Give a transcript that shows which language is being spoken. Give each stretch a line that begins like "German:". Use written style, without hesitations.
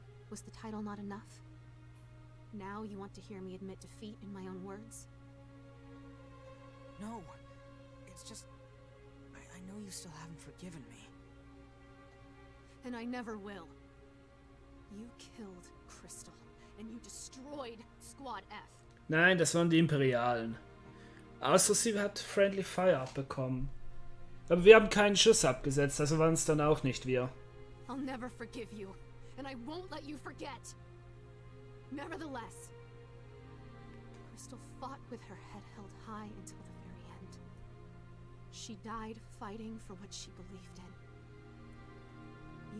English: Was the title not enough? Now you want to hear me admit defeat in my own words? No. It's just... I know you still haven't forgiven me. And I never will. You killed Crystal and you destroyed Squad F.
German: Nein, das waren die Imperialen. Außer sie hat Friendly Fire abbekommen. Aber wir haben keinen Schuss abgesetzt, also waren es dann auch nicht wir.
English: I'll never forgive you and I won't let you forget. Nevertheless, Crystal fought with her head held high until the very end. She died fighting for what she believed in.